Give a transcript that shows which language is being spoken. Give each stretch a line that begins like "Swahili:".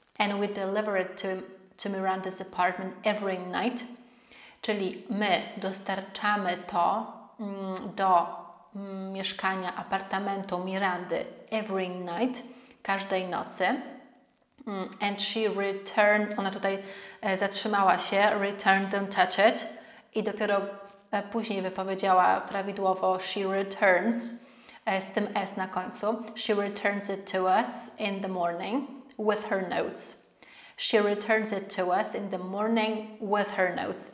English: And we deliver it to Miranda's apartment every night.
Polish: Czyli my dostarczamy to do mieszkania, apartamentu Mirandy
English: every night,
Polish: każdej nocy.
English: And she returned,
Polish: ona tutaj zatrzymała się,
English: return, don't touch it.
Polish: I dopiero później wypowiedziała prawidłowo
English: she returns,
Polish: z tym S na końcu.
English: She returns it to us in the morning with her notes. She returns it to us in the morning with her notes.